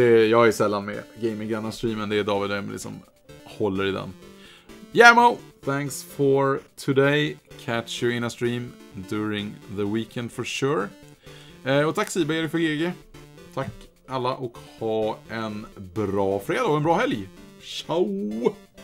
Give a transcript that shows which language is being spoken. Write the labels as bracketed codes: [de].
[sv] Jag är sällan med Gaming-grannar-streamen. Det är David och Emily som håller i den. [en] Yamo! Thanks for today. Catch you in a stream during the weekend for sure. [sv] Och tack Siba, Erik för GG. Tack alla och ha en bra fredag och en bra helg. Ciao!